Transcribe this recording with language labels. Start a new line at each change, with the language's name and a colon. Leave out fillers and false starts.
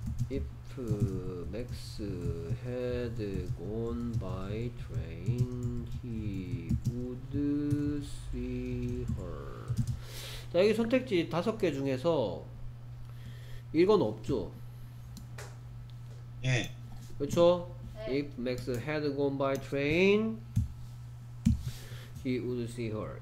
English: If Max had gone by train, he would see her.
Korean: 자, 여기 선택지 다섯 개 중에서 이건 없죠? 예. 그렇죠? 네.
English: If Max had gone by train, he would see her.